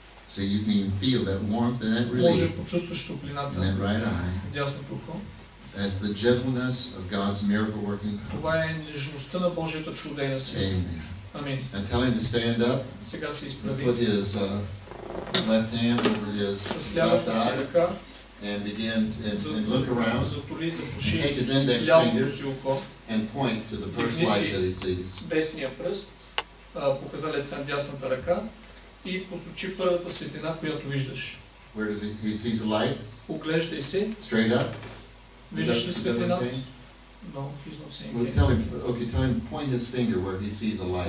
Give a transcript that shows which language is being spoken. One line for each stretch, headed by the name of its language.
English: So you can feel that warmth and that relief.
Bulgarian: Може почувстваш топлината.
English: In that right eye.
Bulgarian: Дясното око.
English: That's the gentleness of God's miracle working power.
Bulgarian: Това е нежността на Божията чудена сила.
English: Amen. Amen. And tell him to stand up.
Bulgarian: Сега се изправи.
English: Put his left hand over his left eye and begin and look around.
Bulgarian: Затвори,
English: take his index finger and point to the first light that he sees.
Bulgarian: Десния пръст, показалец на дясната ръка и посочи първата светлина, която виждаш.
English: Where does he see the light?
Bulgarian: Оглеждай се.
English: Straight up.
Bulgarian: Виждаш ли светлина?
English: No, he's not saying anything. Well, tell him, point his finger where he sees a light.